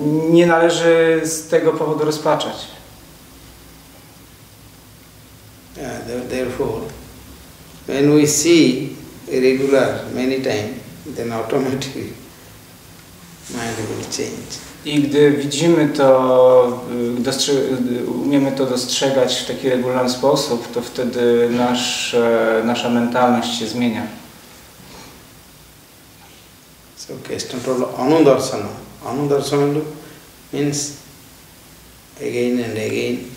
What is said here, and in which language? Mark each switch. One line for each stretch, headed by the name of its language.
Polish: Nie należy z tego powodu rozpaczać.
English: Therefore, when we see regular many times, then automatically mind will change.
Polish: I gdy widzimy to, umiemy to dostrzegać w taki regularny sposób, to wtedy nasza mentalność się zmienia.
English: So Krishna told anudarsana. Anudarsana means again and again.